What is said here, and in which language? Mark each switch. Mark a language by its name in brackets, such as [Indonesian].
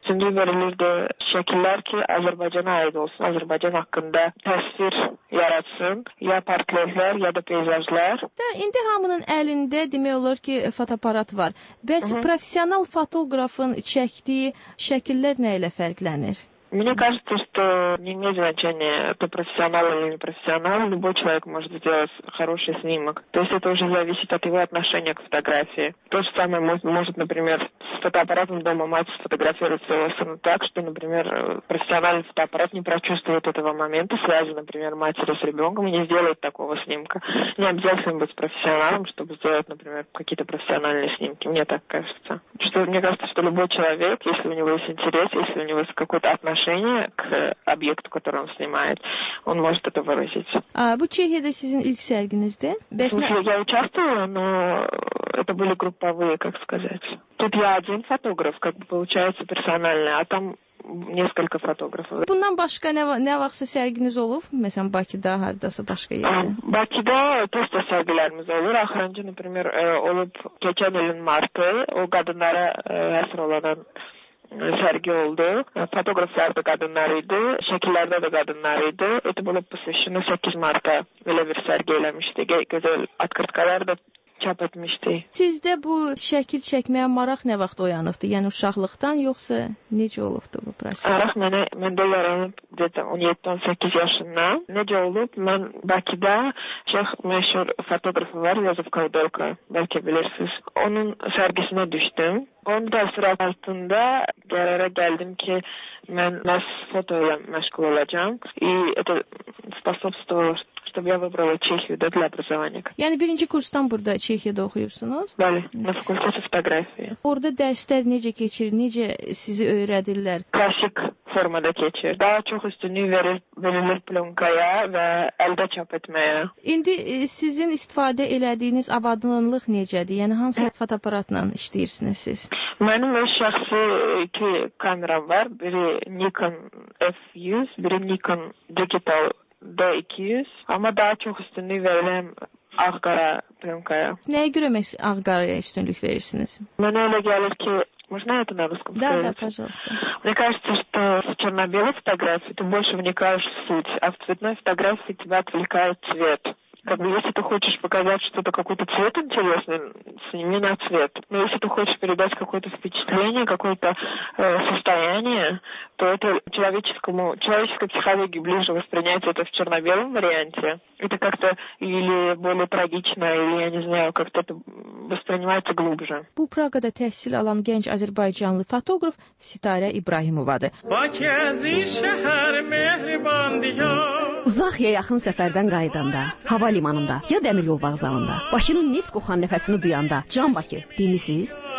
[Azerbaijani] Üçüncü verilirdi şəkillər ki, Azərbaycana aid olsun, Azərbaycan haqqında təsvir yaratsın, ya portretlər, ya da peyzajlar. İndi hamının əlində demək olar ki, fotoaparat var. Bəs professional fotoqrafın çəkdiyi şəkillər nə ilə fərqlənir? [Russian] Мне кажется, что не имеет значения, кто профессионал или не профессионал, любой человек может сделать хороший снимок. То есть это уже зависит от его отношения к фотографии. То же самое может, например, с фотоаппаратом дома мать сфотографировать своего сына так, что, например, профессиональный фотоаппарат не прочувствует этого момента, связи, например, матери с ребенком и не сделает такого снимка. Не обязательно быть профессионалом, чтобы сделать, например, какие-то профессиональные снимки, мне так кажется. Что, мне кажется, что любой человек, если у него есть интерес, если у него есть какой-то отношение к объекту, который он снимает, он может это выразить. А вы в Чехии, это [Azerbaijani] сизин ilk sergginizdi? [Russian] Я участвовала, но это были групповые, как сказать. Тут я один фотограф, как бы получается персональный, а там несколько фотографов. [Azerbaijani] Bundan başqa nə vaxtsa sərginiz olub? Məsələn, Bakıda, hardasa başqa yerdə? Bakıda təkcə sərgilərimiz olur. Axırıncı, например, olub keçən ilin martı, o qadınlara həsr olunan sərgi oldu. Fotoqraflar da qadınlar idi, şəkillərdə də qadınlar idi. [Russian] Это было посвящено 8 марта. [Azerbaijani] Belə bir sərgi eləmişdi. Gözəl atkırtkalar da çap etmişdi. Sizdə bu şəkil çəkməyə maraq nə vaxt oyanıbdı? Yəni uşaqlıqdan yoxsa necə olubdu bu proses? Maraq məndə yaranıb 17-18 yaşından. Necə olub? Mən Bakıda çox məşhur fotoqrafı var, Yozef Kavdolka, bəlkə bilirsiniz. Onun sərgisinə düşdüm. Onun təsiri altında qərara gəldim ki, mən məhz foto ilə məşğul olacağım. [Russian] Это способствовало, чтобы я выбрала Чехию для образования. [Azerbaijani] Yəni birinci kursdan burada Çexiyada oxuyursunuz? Bəli, [Russian] на факультете фотографии. [Azerbaijani] Orada dərslər necə keçir, necə sizi öyrədirlər? Klasik formada keçir. Daha çox üstünlük verilir plonkaya və əldə çap etməyə. İndi sizin istifadə elədiyiniz avadanlıq necədir? Yəni hansı fotoaparatla işləyirsiniz siz? Mənim öz şəxsi iki kameram var. Biri Nikon F100, biri Nikon Digital D200. Amma daha çox üstünlük verirəm ağ-qara plonkaya. Nəyə görə məhz ağ-qaraya üstünlük verirsiniz? Mənə elə gəlir ki, [Russian] Можно это на русском сказать? Да, пожалуйста. Мне кажется, что в черно-белой фотографии ты больше вникаешь в суть, а в цветной фотографии тебя отвлекает цвет. Как бы если ты хочешь показать что-то, какой-то цвет интересный, сними на цвет. Но если ты хочешь передать какое-то впечатление, какое-то состояние, то это человеческой психологии ближе воспринять это в черно-белом варианте. Это как-то или более трагично, или, я не знаю, как-то это воспринимается глубже. [Azerbaijani] Bu Praqada təhsil alan gənc azərbaycanlı fotoqraf Sitariya İbrahimovadır. Uzaq ya yaxın səfərdən qayıdanda, hava limanında, ya dəmir yol vağzalında, Bakının neft qoxan nəfəsini duyanda, can Bakı, deyilmisiniz?